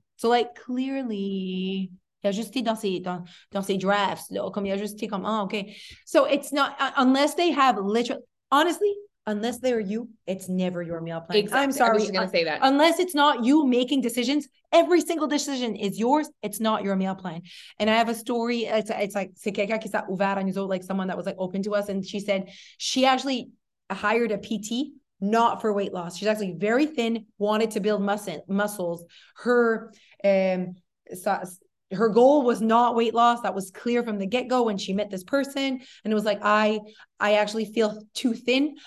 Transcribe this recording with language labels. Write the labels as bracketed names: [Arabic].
[English] So like clearly [French] il a juste dans ses drafts, comme il a juste comme, oh, okay. [English] So it's not, unless they have literally, honestly, unless they're you, it's never your meal plan. Exactly. I'm sorry. I was just going to say that. Unless it's not you making decisions, every single decision is yours. It's not your meal plan. And I have a story. It's like, [French] c'est quelqu'un qui s'est ouvert à nous autres, [English] like someone that was like open to us. And she said she actually hired a PT, not for weight loss. She's actually very thin, wanted to build muscles. Her goal was not weight loss. That was clear from the get-go when she met this person. And it was like, I actually feel too thin.